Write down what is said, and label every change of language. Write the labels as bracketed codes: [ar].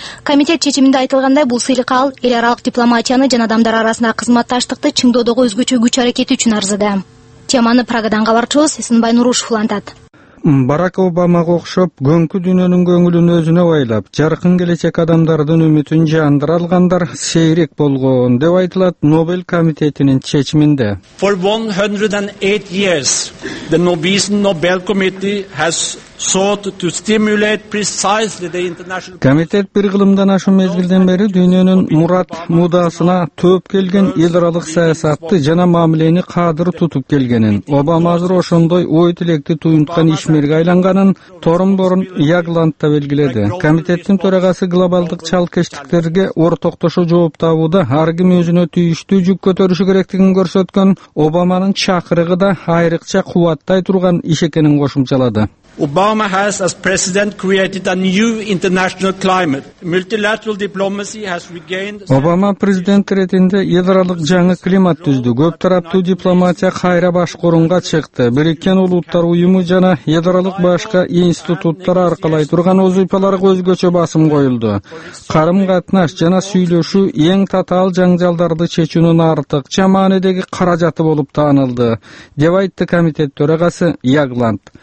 [ky] Комитет чечиминде айтылгандай, бул сыйлык ал эл аралык дипломатияны жана адамдар арасындагы кызматташтыкты чыңдоодогу өзгөчө күч аракети үчүн арзыды. Теманы Прагадан кабарчыбыз Сынбай Нурушев улантат. Барак Обамага окшоп, көңкү дүйнөнүн көңүлүн өзүнө байлап, жаркын келечек адамдардын үмүтүн жандыра алгандар сейрек болгон деп айтылат Нобель комитетинин чечиминде. [en] For 108 years, the Nobel Committee has sought to stimulate precisely the international. [ky] Комитет бир кылымдан ашуун мезгилден бери дүйнөнүн мурат мудасына төп келген эл аралык саясатты жана мамилени кадыр тутуп келгенин, Обама азыр ошондой ой тилекти туюнткан ишмерге айланганын Торнборн Ягландта белгиледи. Комитеттин төрагасы глобалдык чалкештиктерге ортоктошо жооп табууда ар ким өзүнө тийиштүү жүк көтөрүшү керектигин көрсөткөн Обаманын чакырыгы да айрыкча кубаттай турган иш экенин кошумчалады. [en] Obama has, as president, created a new international climate. Multilateral diplomacy has regained. [ky] Obama президент ретинде эл аралык жаңы климат түздү. Көп тараптуу дипломатия кайра башкарууга чыкты. Бириккен улуттар уюму жана эл аралык башка институттар аркылай турган узупаларга өзгөчө басым коюлду. Карым-катнаш жана сүйлөшүү эң татаал жаңжалдарды чечүүнүн артыкча маанидеги каражаты болуп таанылды, деп айтты комитет төрагасы Ягланд.